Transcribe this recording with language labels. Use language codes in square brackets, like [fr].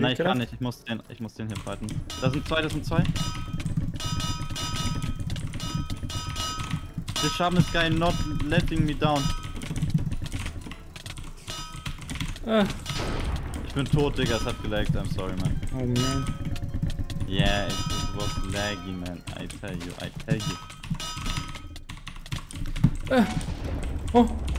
[de] Nein, ich kann nicht, ich muss den hier fighten. Da sind zwei. [en] The sharpness guy not letting me down. [de] Ich bin tot, Digga, es hat gelaggt, [en] I'm sorry, man. Oh, man. Yeah, it was laggy, man. I tell you. Oh.